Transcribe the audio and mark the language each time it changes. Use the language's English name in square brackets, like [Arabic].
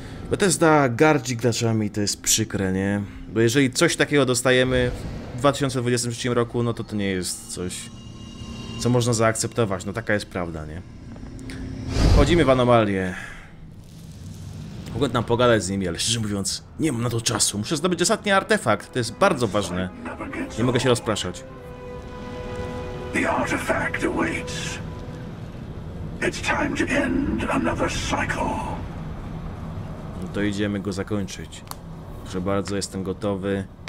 [Polish] Bethesda gardzi graczami, to jest przykre, nie? Bo jeżeli coś takiego dostajemy w 2023 roku, no to to nie jest coś, co można zaakceptować. No taka jest prawda, nie? Wchodzimy w anomalię. Mogę tam pogadać z nimi, ale szczerze mówiąc, nie mam na to czasu. Muszę zdobyć ostatni artefakt, to jest bardzo ważne. Nie mogę się rozpraszać. [English] The artifact awaits. It's time to end another cycle. [Polish] No to idziemy go zakończyć. Proszę bardzo, jestem gotowy.